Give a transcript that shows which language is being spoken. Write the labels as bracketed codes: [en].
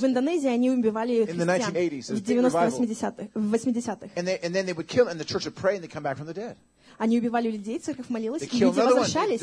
[ru] В Индонезии они убивали христиан. [en] In the 1980s, there's a big revival. [ru] В 80-х. [en] And then they would kill, and the church would pray, and they'd come back from the dead. [ru] Они убивали людей, церковь молилась, и люди возвращались.